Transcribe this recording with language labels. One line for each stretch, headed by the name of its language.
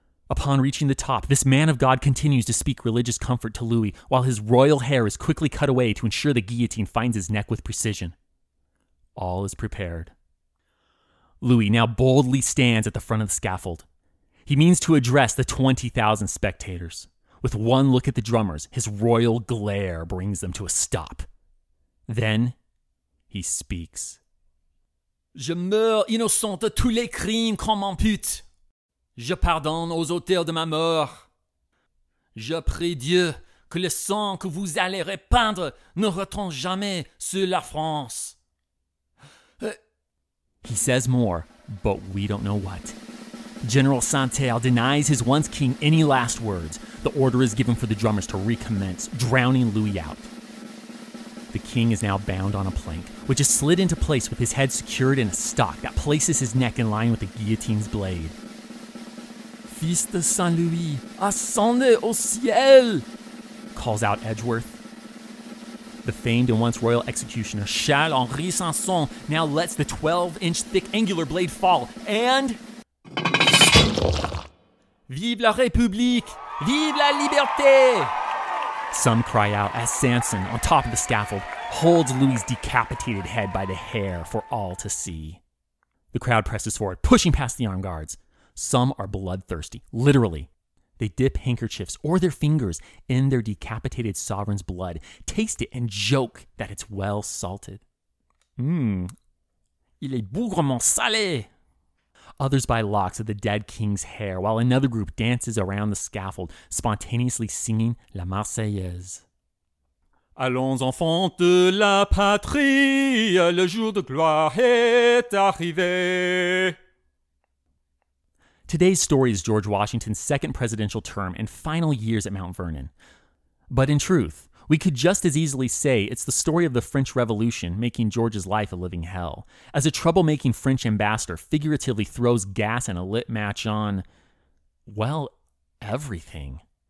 English: Upon reaching the top, this man of God continues to speak religious comfort to Louis, while his royal hair is quickly cut away to ensure the guillotine finds his neck with precision. All is prepared. Louis now boldly stands at the front of the scaffold. He means to address the 20,000 spectators. With one look at the drummers, his royal glare brings them to a stop. Then, he speaks.
French: Je meurs innocent de tous les crimes qu'on m'impute. Je pardonne aux auteurs de ma mort. Je prie Dieu que le sang que vous allez répandre ne retombe jamais sur la France.
English: He says more, but we don't know what. General Santerre denies his once king any last words. The order is given for the drummers to recommence, drowning Louis out. The king is now bound on a plank, which is slid into place with his head secured in a stock that places his neck in line with the guillotine's blade.
French: Fils de Saint-Louis, ascendez au ciel!
English: Calls out Edgeworth. The famed and once royal executioner, Charles Henri Sanson, now lets the 12-inch thick angular blade fall, and...
French: Vive la République! Vive la Liberté!
English: Some cry out as Sanson, on top of the scaffold, holds Louis' decapitated head by the hair for all to see. The crowd presses forward, pushing past the armed guards. Some are bloodthirsty, literally. They dip handkerchiefs or their fingers in their decapitated sovereign's blood, taste it, and joke that it's well salted.
French: Il est bougrement salé!
English: Others buy locks of the dead king's hair, while another group dances around the scaffold, spontaneously singing La Marseillaise.
French: Allons, enfants de la patrie, le jour de gloire est arrivé.
English: Today's story is George Washington's second presidential term and final years at Mount Vernon. But in truth, we could just as easily say it's the story of the French Revolution making George's life a living hell, as a troublemaking French ambassador figuratively throws gas and a lit match on, well, everything.